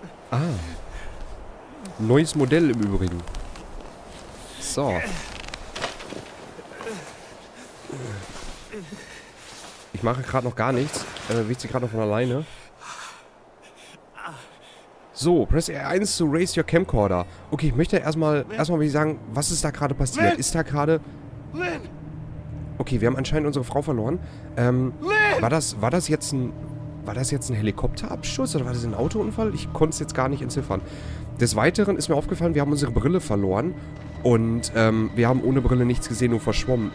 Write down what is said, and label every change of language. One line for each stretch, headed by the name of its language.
German: Ah. Neues Modell im Übrigen. So. Ich mache gerade noch gar nichts. Wiegt sie gerade noch von alleine.
English: So, press R1 to raise your camcorder.
German: Okay, ich möchte erstmal will ich sagen, was ist da gerade passiert? Lynn! Ist da gerade. Okay, wir haben anscheinend unsere Frau verloren. War das jetzt ein Helikopterabschuss oder war das ein Autounfall? Ich konnte es jetzt gar nicht entziffern. Des Weiteren ist mir aufgefallen, wir haben unsere Brille verloren und wir haben ohne Brille nichts gesehen, nur verschwommen.